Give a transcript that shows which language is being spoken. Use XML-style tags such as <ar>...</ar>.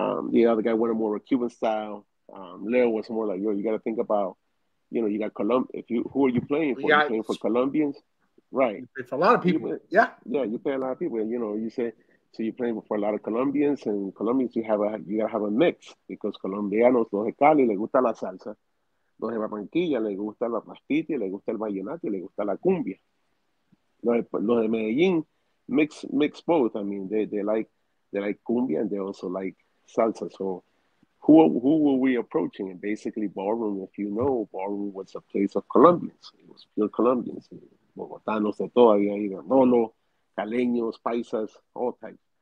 <en>The other guy wanted more of a Cuban style. Leo was more like, yo, you got to think about, you know, you got Colombia. If you, who are you playing for? Yeah, you playing for Colombians? Right. It's a lot of people. Yeah, you play a lot of people. You know, you say, so you're playing for a lot of Colombians, and Colombians, you got to have a mix, because</en> <es>Colombianos, los de Cali, le gusta la salsa. Los de Barranquilla, le gusta la pastita, le gusta el vallenato, le gusta la cumbia. Los de Medellín,</es> <en>mix both. I mean, they like cumbia, and they also like salsa. So who were we approaching? And basically, ballroom, if you know, ballroom was a place of Colombians. It was pure Colombians.</en> <es>Bogotanos de todavía,</es> <en>you know, Rolo, Caleños, Paisas, all types.</en>